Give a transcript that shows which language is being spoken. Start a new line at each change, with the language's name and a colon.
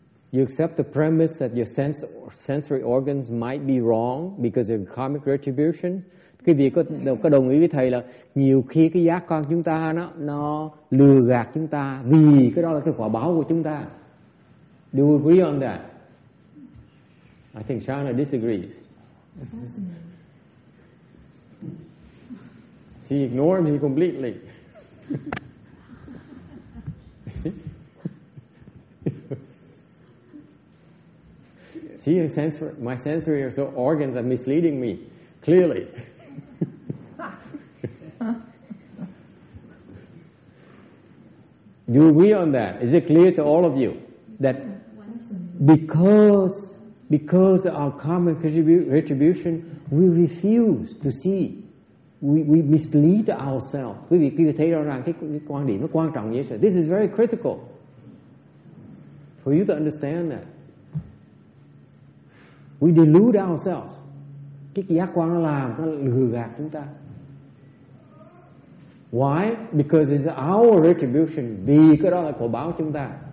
English: You accept the premise that your sensory organs might be wrong because of karmic retribution?
Vietnamese: Cái việc có đồng ý với thầy là nhiều khi cái giác quan chúng ta nó lừa gạt chúng ta vì cái đó là cái quả báo của chúng ta.
English: Do you agree on that? I think Shana disagrees. She ignored me completely. See, my sensory so organs are misleading me, clearly. Do you agree on that? Is it clear to all of you that because of our karmic retribution, we refuse to see, we mislead ourselves.
Vietnamese: Quý vị thấy rõ ràng cái quan điểm nó quan trọng như thế.
English: This is very critical for you to understand that. We delude ourselves.
Vietnamese: Cái giác quan nó làm, nó lừa gạt chúng ta.
English: Why? Because it's our retribution.
Vietnamese: Vì cái đó là quả báo chúng ta.